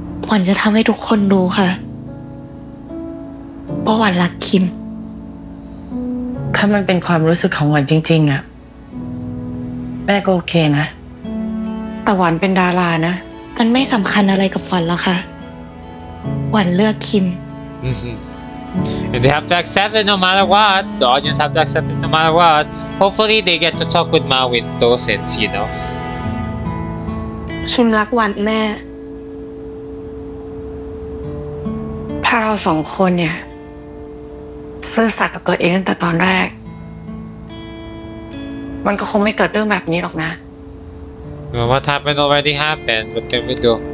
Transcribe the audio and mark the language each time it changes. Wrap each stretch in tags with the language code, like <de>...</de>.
<th>วันจะทำให้ทุกคนรู้ค่ะเพราะวันรักคิม ถ้ามันเป็นความรู้สึกของหวานจริงๆอ่ะแม่ก็โอเคนะแต่หวานเป็นดารานะ มันไม่สำคัญอะไรกับหวานแล้วค่ะหวานเลือกคิม</th> <en>And they have to accept it no matter what. The audience have to accept it no matter what. Hopefully they get to talk with Ma with those ends, you know.</en> <th>คิมรักหวานแม่ถ้าเราสองคนเนี่ยซื่อสัตย์กับตัวเองตั้งแต่ตอนแรกมันก็คงไม่เกิดเรื่องแบบนี้หรอกนะ ว่าถ้าเป็น</th> <en>already happened what can we do</en>